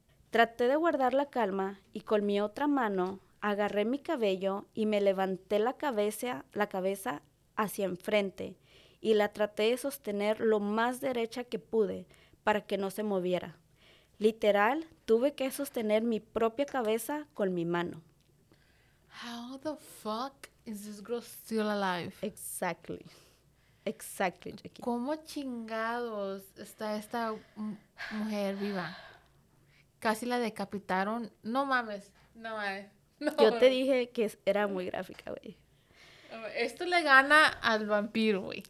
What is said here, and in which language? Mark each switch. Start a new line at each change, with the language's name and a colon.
Spanish: Traté de guardar la calma y con mi otra mano agarré mi cabello y me levanté la cabeza hacia enfrente y la traté de sostener lo más derecha que pude para que no se moviera. Literal, tuve que sostener mi propia cabeza con mi mano.
English: How the fuck is this girl still alive? Exactly. Exactly, Jackie.
Spanish: ¿Cómo chingados está esta mujer viva? Casi la decapitaron. No mames, no mames. No. Yo te dije que era muy gráfica, güey. Esto le gana al vampiro, güey.